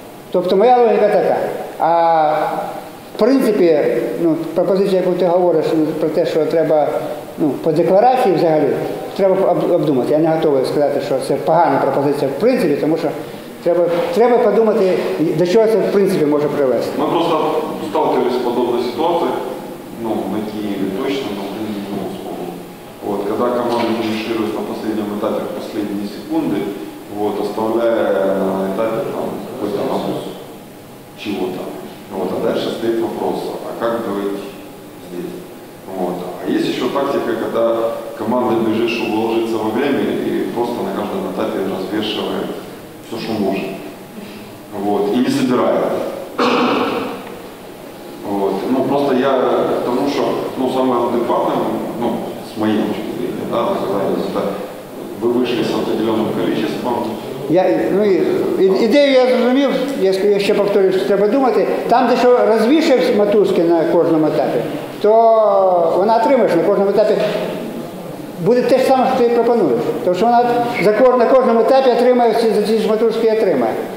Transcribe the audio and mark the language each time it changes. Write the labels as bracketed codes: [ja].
[uk] Тобто моя логіка така. А в принципі, ну, пропозиція, яку ти говориш про те, що треба ну, по декларації взагалі, треба обдумати. Я не готовий сказати, що це погана пропозиція в принципі, тому що треба подумати, до чого це в принципі може привести. Ми просто сталкивались з подобною ситуацією. [ru] Ну, мы Киеве точно, но мы не вспомним. Вот, когда команда финиширует на последнем этапе в последние секунды, вот, оставляя на этапе там, какой-то набус чего-то. Вот, а дальше стоит вопрос, а как быть здесь? Вот. А есть еще тактика, когда команда бежит, чтобы уложиться во время, и просто на каждом этапе развешивает все, что может. Вот, и не собирает. Вот. Ну, просто я к тому, что ну, самое адекватное, ну, с моей точки зрения, да, это вы вышли с определенным количеством. [uk] Я, ну, идею я зрозумів, если я ще повторюсь, що треба думати, там, де що розвішуєш мотузки на кожному етапі, то вона отримаєш на кожному етапі. Буде те ж саме, що ти пропонуєш. Тому що вона на кожному етапі отримає за ці ж мотузки і отримає.